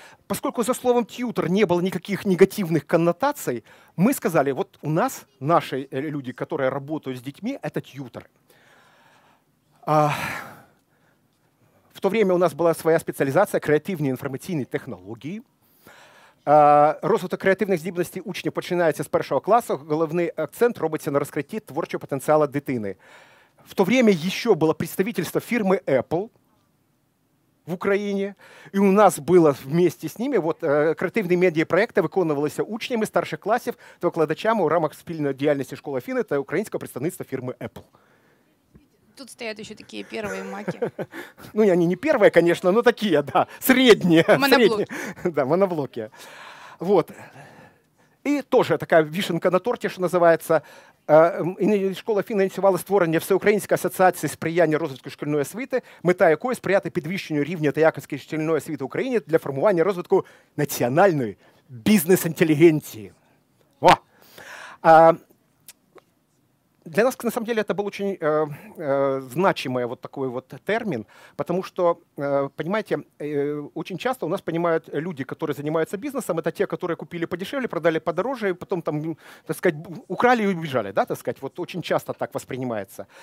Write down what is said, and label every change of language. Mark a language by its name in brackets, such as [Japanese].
[Russian] Поскольку за словом тьютер не было никаких негативных коннотаций, мы сказали, вот у нас, наши люди, которые работают с детьми, это тьютеры. В то время у нас была своя специализация — креативные информационные технологии. [Ukrainian] Розвиток креативних здібностей учнів починається з першого класу. Головний акцент робиться на розкритті творчого потенціалу дитини. [Russian] В то время [Ukrainian] ще було [Russian] представительство [Ukrainian] фірми Apple в Україні. І у нас було [Russian] вместе [Ukrainian] з ними креативні медіапроекти виконувалися учнями старших класів та викладачами у рамках спільної діяльності школи Афіни та українського представництва фірми Apple. [Russian] Тут стоят еще такие первые маки. Ну, они не первые, конечно, но такие, да, средние. Моноблоки. Да, моноблоки. Вот. И тоже такая вишенка на торте, что называется. [Ukrainian] Школа фінансувала створення Всеукраїнської асоціації сприяння розвитку шкільної освіти, мета якої — сприяти підвищенню рівня та якості шкільної освіти в Україні для формування розвитку національної бізнес-інтелігенції. О! [Russian] Для нас, на самом деле, это был очень значимый вот такой вот термин, потому что, понимаете, очень часто у нас понимают люди, которые занимаются бизнесом, это те, которые купили подешевле, продали подороже, и потом там, так сказать, украли и убежали, да, так сказать, вот очень часто так воспринимается.